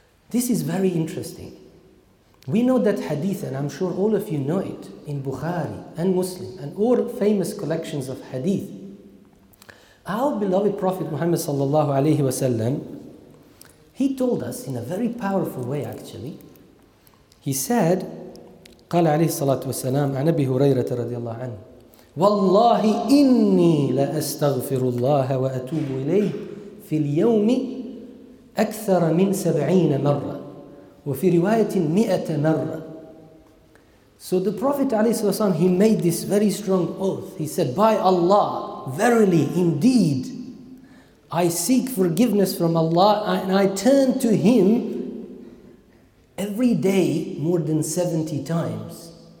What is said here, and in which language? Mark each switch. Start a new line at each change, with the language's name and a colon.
English: This is very interesting. We know that hadith, and I'm sure all of you know it, in Bukhari and Muslim and all famous collections of hadith, our beloved Prophet Muhammad sallallahu alayhi wa sallam, he told us in a very powerful way actually. He said,
Arabic: قال عليه الصلاة والسلام عن أبي هريرة رضي الله عنه والله إني لأستغفر الله وأتوب إليه في اليوم أكثر من 70 مرة وفي رواية 100 مرة.
English: So the Prophet
Arabic: عليه الصلاة والسلام,
English: he made this very strong oath. He said, by Allah, verily, indeed, I seek forgiveness from Allah and I turn to Him every day more than 70 times.